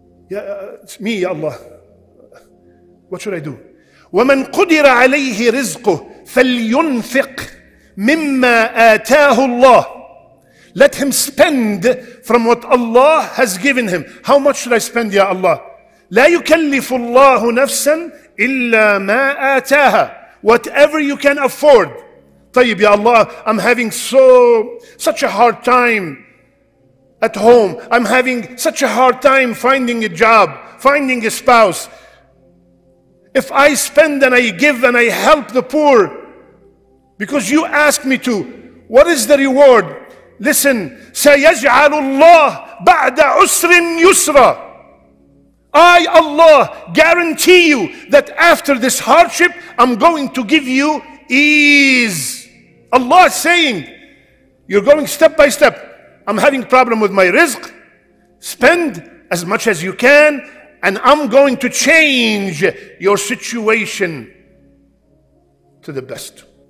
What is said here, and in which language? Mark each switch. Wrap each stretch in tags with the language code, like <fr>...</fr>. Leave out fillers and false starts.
<en>It's me, Ya Allah. What should I do?</en> <ar>وَمَنْ قُدِرَ عَلَيْهِ رِزْقُهُ فَلْيُنْفِقْ مِمَّا آتَاهُ اللَّهُ.</ar> <en>Let him spend from what Allah has given him. How much should I spend, Ya Allah?</en> <ar>لا يكلف الله نفسا إلا ما آتاها.</ar> <en>Whatever you can afford.</en> <ar>طيب يا الله,</ar> <en>I'm having such a hard time at home. I'm having such a hard time finding a job, finding a spouse. If I spend and I give and I help the poor, because you asked me to, what is the reward? Listen,</en> <ar>سيجعل الله بعد عسر يسرا.</ar> <en>I, Allah, guarantee you that after this hardship, I'm going to give you ease. Allah is saying, you're going step by step. I'm having problem with my rizq. Spend as much as you can, and I'm going to change your situation to the best.</en>